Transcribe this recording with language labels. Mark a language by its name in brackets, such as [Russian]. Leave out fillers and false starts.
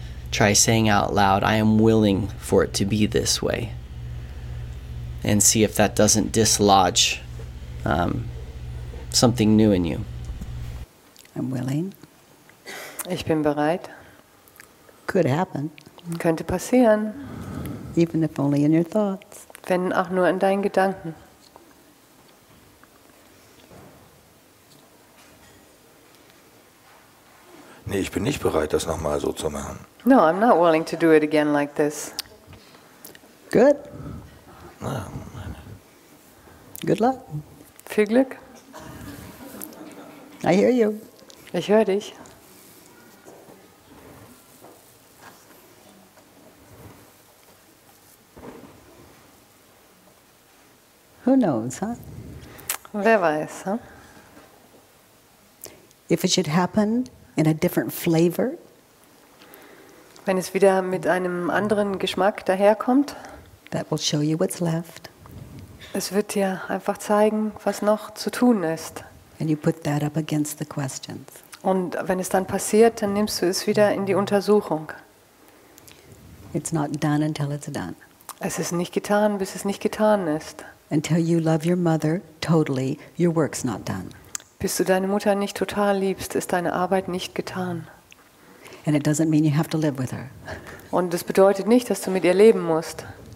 [English] Try saying out loud, "I am willing for it to be this way," and see if that doesn't dislodge something new in you. I'm willing. [German] Ich bin bereit. [English] Could happen. [German] Könnte passieren. [English] Even if only in your thoughts. [German] Wenn auch nur in deinen Gedanken. Nee, ich bin nicht bereit, das nochmal so zu machen. [English] No, I'm not willing to do it again like this. Good. Good luck. [German] Viel Glück. [English] I hear you. [German] Ich höre dich. [English] Who knows, huh? [German] Wer weiß, huh? [English] If it should happen in a different flavor. [German] Wenn es wieder mit einem anderen Geschmack daherkommt. [English] That will show you what's left. [German] Es wird dir einfach zeigen, was noch zu tun ist. [English] And you put that up against the questions. [German] Und wenn es dann passiert, dann nimmst du es wieder in die Untersuchung. [English] It's not done until it's done. [German] Es ist nicht getan, bis es nicht getan ist. [English] Until you love your mother totally, your work's not done. [German] Bis du deine Mutter nicht total liebst, ist deine Arbeit nicht getan. [English] And it doesn't mean you have to live with her. [German] Und es bedeutet nicht, dass du mit ihr leben musst.